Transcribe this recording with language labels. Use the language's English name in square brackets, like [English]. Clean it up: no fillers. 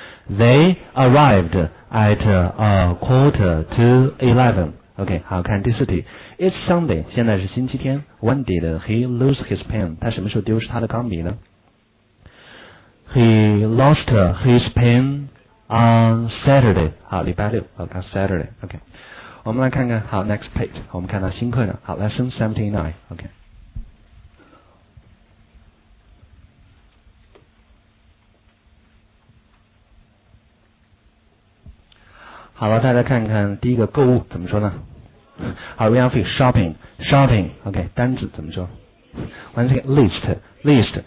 [English] They arrived at a quarter to 11. [Chinese] OK, 好，看第四题。 [English] It's Sunday, [Chinese] 现在是星期天。 [English] When did he lose his pen? [Chinese] 他什么时候丢失他的钢笔呢？ [English] He lost his pen on Saturday. [Chinese] 好，礼拜六。好，看 Saturday. OK. 我们来看看，好 , [English] next page. [Chinese] 我们看到新课程。好 ,lesson 79. OK. 好了，大家看看第一个购物怎么说呢？ [English] 好 ，we have shopping. OK, [Chinese] 单字怎么说 [English] ？One second, list.